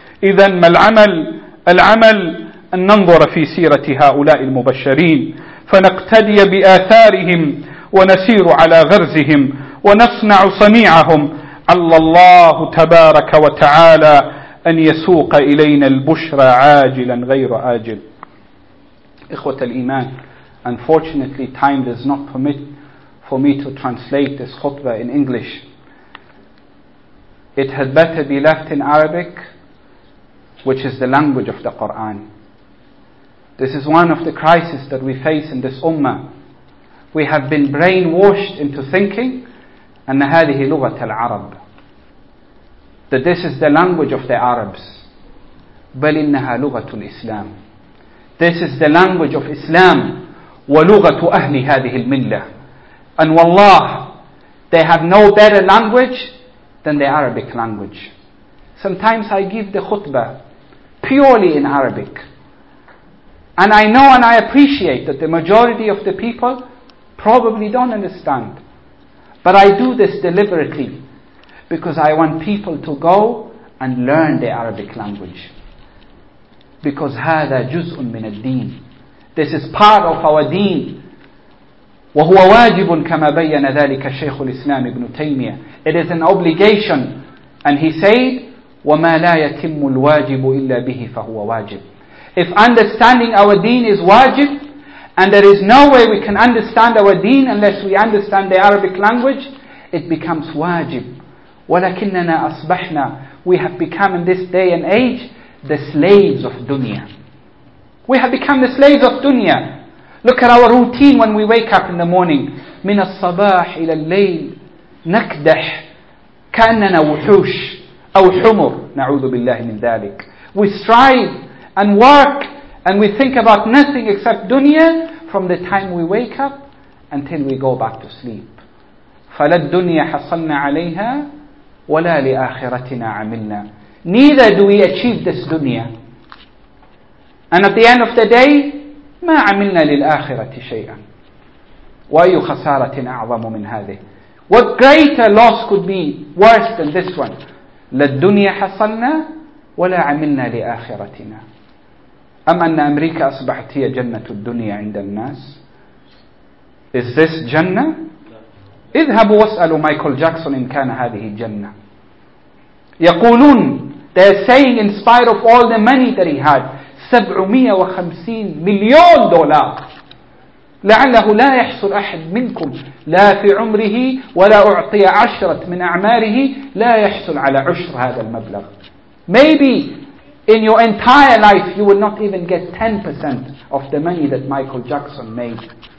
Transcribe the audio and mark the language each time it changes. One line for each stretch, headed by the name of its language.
Arabic: إذن ما العمل؟ العمل أن ننظر في سيرة هؤلاء المبشرين، فنقتدي بآثارهم، ونسير على غرزهم، ونصنع صنيعهم. عل الله تبارك وتعالى أن يسوق إلينا البشرى عاجلا غير آجل. إخوة الإيمان،
English: unfortunately time does not permit for me to translate this khutbah in English. It had better be left in Arabic, which is the language of the Quran. This is one of the crises that we face in this ummah. We have been brainwashed into thinking
Arabic: أن هذه لغة العرب،
English: that this is the language of the Arabs.
Arabic: بل إنها لغة الإسلام،
English: this is the language of Islam،
Arabic: ولغة أهل هذه الملة.
English: And wallah, they have no better language than the Arabic language. Sometimes I give the khutbah purely in Arabic. And I know and I appreciate that the majority of the people probably don't understand. But I do this deliberately because I want people to go and learn the Arabic language. Because
Arabic: هذا جزء من الدين.
English: This is part of our deen.
Arabic: وهو واجب كما بيّن ذلك الشيخ الإسلام ابن تيمية.
English: It is an obligation. And he said,
Arabic: وما لا يتم الواجب إلا به فهو واجب.
English: If understanding our deen is wajib, and there is no way we can understand our deen unless we understand the Arabic language, it becomes wajib.
Arabic: ولكننا أصبحنا,
English: we have become in this day and age the slaves of dunya. We have become the slaves of dunya. Look at our routine when we wake up in the morning.
Arabic: من الصباح إلى الليل نكدح كأننا وحوش أو حمر نعوذ بالله من ذلك.
English: We strive and work, and we think about nothing except dunya from the time we wake up until we go back to sleep.
Arabic: فَلَا الدُّنْيَا حَصَلْنَا عَلَيْهَا وَلَا لِآخِرَتِنَا عَمِلْنَا.
English: Neither do we achieve this dunya. And at the end of the day,
Arabic: مَا عَمِلْنَا لِلْآخِرَةِ شَيْئًا وَأَيُّ خَسَارَةٍ أَعْظَمُ مِنْ هَذِهِ.
English: What greater loss could be worse than this one?
Arabic: لَا الدُّنْيَا حَصَلْنَا ولا عملنا لآخرتنا. أم أن أمريكا أصبحت هي جنة الدنيا عند الناس؟
English: Is this
Arabic: جنة؟ اذهبوا واسألوا مايكل جاكسون إن كان هذه جنة. يقولون,
English: they are saying in spite of all the money that he had, 750
Arabic: مليون دولار. لعله لا يحصل أحد منكم لا في عمره ولا أعطي عشرة من أعماره لا يحصل على عشر هذا المبلغ.
English: Maybe in your entire life you will not even get 10% of the money that Michael Jackson made.